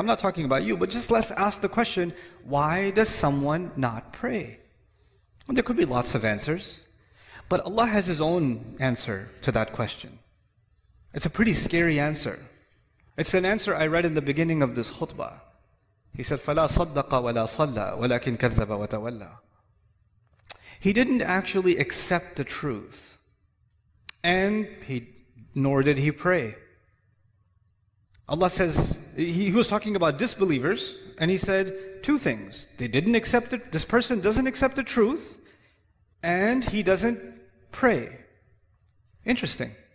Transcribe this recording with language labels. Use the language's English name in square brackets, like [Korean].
[English] I'm not talking about you, but just let's ask the question, why does someone not pray? Well, there could be lots of answers, but Allah has His own answer to that question. It's a pretty scary answer. It's an answer I read in the beginning of this khutbah. [Arabic] He said, "فَلَا صَدَّقَ وَلَا صَلَّى وَلَكِنْ كَذَّبَ وَتَوَلَّى." [English] He didn't actually accept the truth, and nor did he pray. Allah says, He was talking about disbelievers, and He said two things. They didn't accept it. This person doesn't accept the truth, and he doesn't pray. Interesting.